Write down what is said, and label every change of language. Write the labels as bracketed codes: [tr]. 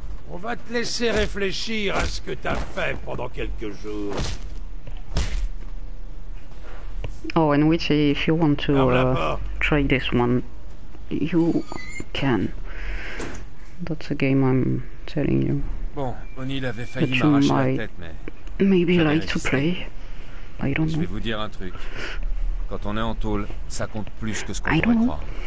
[fr] On va te laisser réfléchir à ce que t'as fait pendant quelques jours. [en] Oh, and which, if you want to try this one, you can. That's a game I'm telling you. [fr] Bon, O'Neill avait failli m'arracher la tête, mais... [en] Maybe like to play. I don't know. [fr] Je vais vous dire un truc. Quand on est en tôle, ça compte plus que ce qu'on pourrait croire.